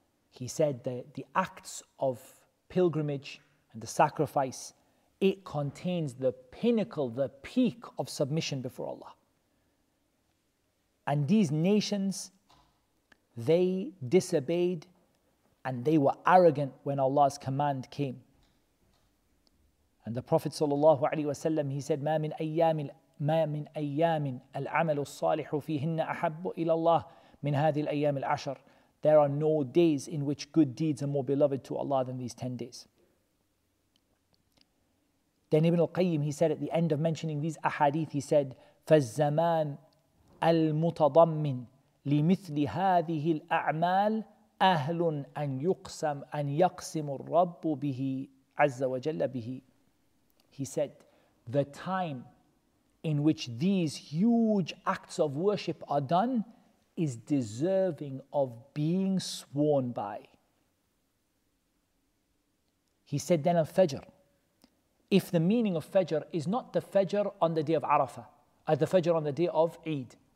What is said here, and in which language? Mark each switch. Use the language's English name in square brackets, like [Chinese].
[English] He said that the acts of pilgrimage and the sacrifice, it contains the pinnacle, the peak of submission before Allah. And these nations, they disobeyed and they were arrogant when Allah's command came. And the Prophet sallallahu alaihi wasallam, he said, [Arabic] ما من أيام العمل الصالح فيهن أحب إلى الله من هذه الأيام العشر. [English] There are no days in which good deeds are more beloved to Allah than these 10 days. Then Ibn al-Qayyim, he said at the end of mentioning these ahadith, he said, [Arabic] فالزمان المتضمن لمثل هذه الأعمال أهل أن يقسم أن يقسم الرب به عز وجل به. [English] He said, the time in which these huge acts of worship are done is deserving of being sworn by. He said then al-Fajr, if the meaning of Fajr is not the Fajr on the day of Arafah, the Fajr on the day of Eid.